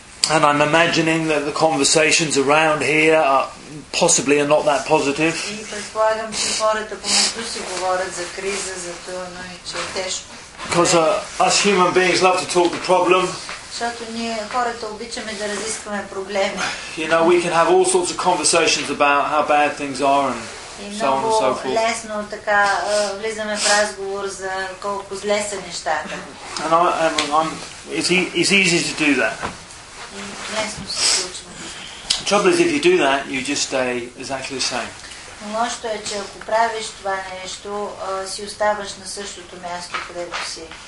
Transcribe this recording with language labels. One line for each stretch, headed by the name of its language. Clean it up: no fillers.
English: And I'm imagining that the conversations around here are possibly are not that positive.
Bulgarian: И предполагам, че хората по мето си говорят за криза, за това, но и че е тежко.
English: Because us human beings love to talk the problem.
Bulgarian: Защото ние хората обичаме да разискваме проблеми.
English: You know, we can have all sorts of conversations about how bad things are and so on and so forth.
Bulgarian: Лесно така влизаме в разговор за колко зле са нещата.
English: And it's easy to do that.
Bulgarian: Лесно се случва.
English: The trouble is if you do that, you just stay exactly the same.
Bulgarian: Лошото е, че ако правиш това нещо, си оставаш на същото място, където си.